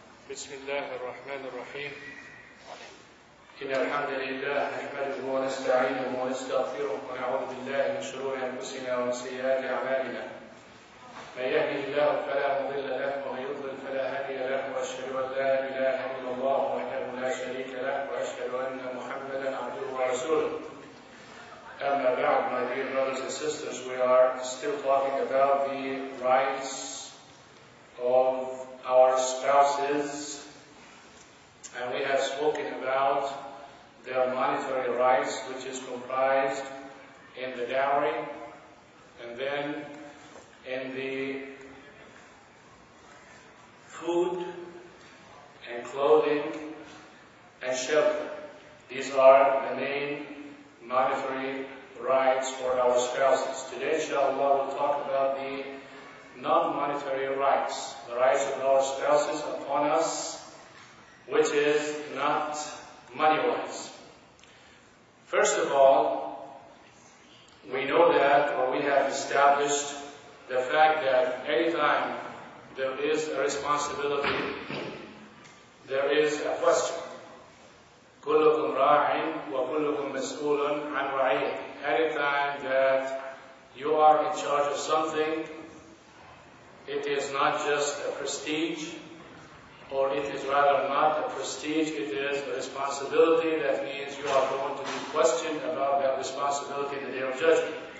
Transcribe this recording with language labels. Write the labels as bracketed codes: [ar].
[ar] بسم الله الرحمن الرحيم. إن الحمد لله نحمده ونستعينه ونستغفره ونعوذ بالله من شرور أنفسنا ومن سيئات أعمالنا. من يهده الله فلا مضل له ومن يضلل فلا هادي له وأشهد أن لا إله إلا الله وحده لا شريك له وأشهد أن محمدا عبده ورسوله. Amma ba'd, [en] my dear brothers and sisters, we are still talking about the rights of our spouses, and we have spoken about their monetary rights, which is comprised in the dowry, and then in the food and clothing and shelter. These are the main monetary rights for our spouses. Today, inshallah, we'll talk about the non-monetary rights, the rights of our spouses upon us, which is not money-wise. First of all, we know that, or we have established the fact that anytime there is a responsibility, there is a question. [ar] كلكم راعٍ وكلكم مسؤولٌ عن رعيته. [en] Any time that you are in charge of something, it is not just a prestige, or it is rather not a prestige, it is a responsibility. That means you are going to be questioned about that responsibility in the day of judgment.